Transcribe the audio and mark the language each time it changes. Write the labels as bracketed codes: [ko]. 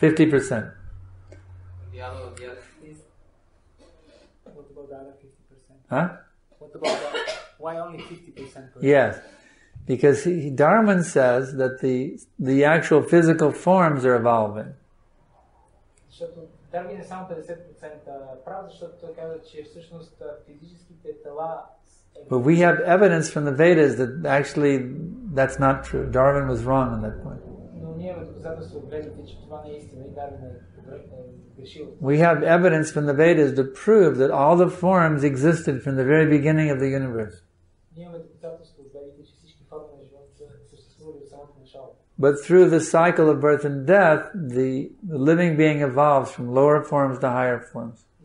[en] What about the other 50%? Huh? What about why only 50% correct? Yes, because Darwin says that the actual physical forms are evolving. [bg] Darwin е само 50% прав, защото той каза, че всъщност физическите тела... [en] But we have evidence from the Vedas that actually that's not true. Darwin was wrong on that point. [bg] Но ние имаме доказателство от Ведите, че това не е истина и Darwin е грешил. [en] We have evidence from the Vedas to prove that all the forms existed from the very beginning of the universe. [bg] Ние имаме доказателство от Ведите, че всички форми на живота съществували от самото начало. [en] But through the cycle of birth and death, the living being evolves from lower forms to higher forms.